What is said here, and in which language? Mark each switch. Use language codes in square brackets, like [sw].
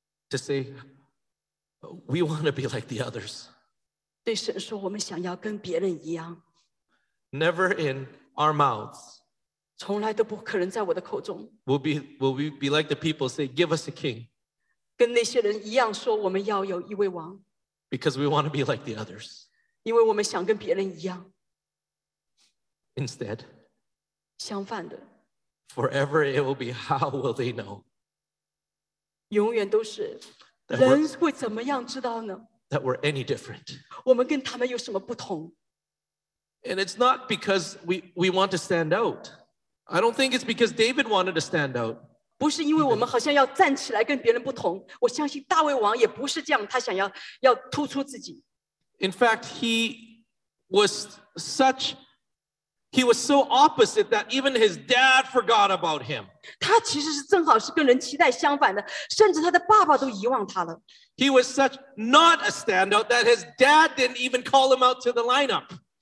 [en] To say, we want to be like the others. [zh] 对神说我们想要跟别人一样。 [en] Never in our mouths. [zh] 从来都不可能在我的口中。 [en] Will we be like the people say, give us a king? [zh] 跟那些人一样说我们要有一位王。 [en] Because we want to be like the others. [zh] 因为我们想跟别人一样。 [en] Instead. [zh] 相反的。 [en] Forever it will be, how will they know? [zh] 永远都是。人会怎么样知道呢? [en] That we're any different. [zh] 我们跟他们有什么不同。 [en] And it's not because we want to stand out. I don't think it's because David wanted to stand out. [zh] 不是因为我们好像要站起来跟别人不同, 我相信大卫王也不是这样, 他想要突出自己。 [en] In fact, he was so opposite that even his dad forgot about him. [zh] 他其实是正好是跟人期待相反的, 甚至他的爸爸都遗忘他了。 [en] He was such not a standout that his dad didn't even call him out to the lineup.